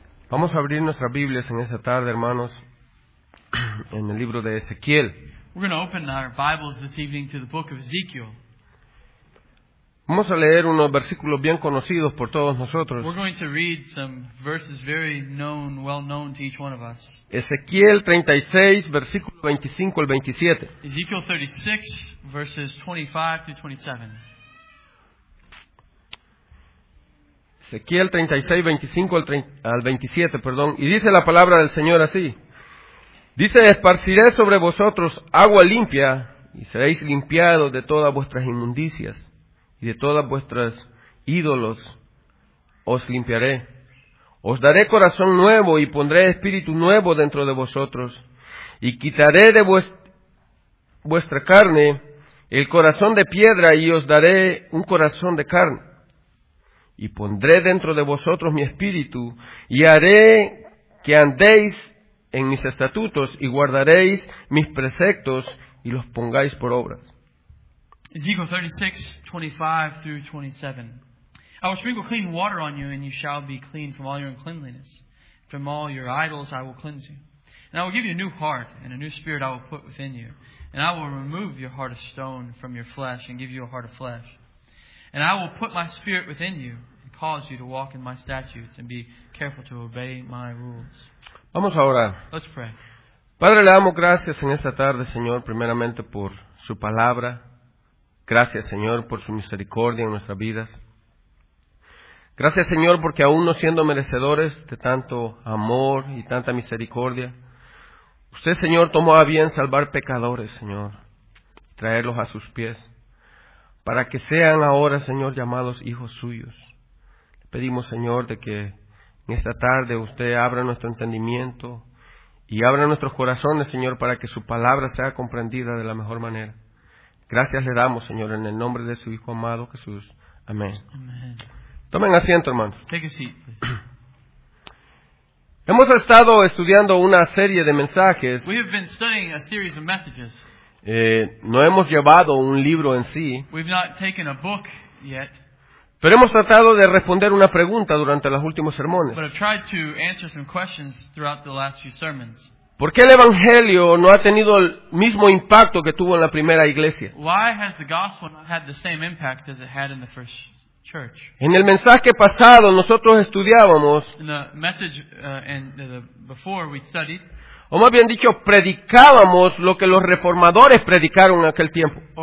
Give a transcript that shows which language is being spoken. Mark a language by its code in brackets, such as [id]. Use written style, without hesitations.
[es] Vamos a abrir nuestras Biblias en esta tarde, hermanos, en el libro de Ezequiel. [en] We're going to open our Bibles this evening to the book of Ezekiel. [es] Vamos a leer unos versículos bien conocidos por todos nosotros. [en] We're going to read some verses very known, well known to each one of us. [es] Ezequiel 36, versículo 25 al 27. [en] Ezekiel 36, verses 25 to 27. [es] Ezequiel 36, 25 al 27, perdón. Y dice la palabra del Señor así. Dice, esparciré sobre vosotros agua limpia y seréis limpiados de todas vuestras inmundicias y de todas vuestras ídolos os limpiaré. Os daré corazón nuevo y pondré espíritu nuevo dentro de vosotros y quitaré de vuestra carne el corazón de piedra y os daré un corazón de carne. Y pondré dentro de vosotros mi espíritu, y haré que andéis en mis estatutos, y guardaréis mis preceptos, y los pongáis por obras. [en] Ezekiel 36, 25 through 27. I will sprinkle clean water on you, and you shall be clean from all your uncleanliness. From all your idols I will cleanse you. And I will give you a new heart, and a new spirit I will put within you. And I will remove your heart of stone from your flesh, and give you a heart of flesh. And I will put my spirit within you and cause you to walk in my statutes and be careful to obey my rules. [es] Vamos a orar. [en] Let's pray. [es] Padre, le damos gracias en esta tarde, Señor, primeramente por su palabra. Gracias, Señor, por su misericordia en nuestras vidas. Gracias, Señor, porque aún no siendo merecedores de tanto amor y tanta misericordia, usted, Señor, tomó a bien salvar pecadores, Señor, traerlos a sus pies. Para que sean ahora, Señor, llamados hijos suyos. Le pedimos, Señor, de que en esta tarde usted abra nuestro entendimiento y abra nuestros corazones, Señor, para que su palabra sea comprendida de la mejor manera. Gracias le damos, Señor, en el nombre de su Hijo amado Jesús. Amén. [en] Amen. [es] Tomen asiento, hermanos. [en] Take a seat, please. [es] Hemos estado estudiando una serie de mensajes. [en] We have been studying a series of messages. [es] No hemos llevado un libro en sí. [en] We've not taken a book yet. [es] Pero hemos tratado de responder una pregunta durante los últimos sermones. [en] But I've tried to answer some questions throughout the last few sermons. [es] ¿Por qué el Evangelio no ha tenido el mismo impacto que tuvo en la primera iglesia? [en] Why has the gospel not had the same impact as it had in the first church? [es] En el mensaje pasado nosotros estudiábamos. [en] In the message before we studied. [es] O más bien dicho, predicábamos lo que los reformadores predicaron en aquel tiempo.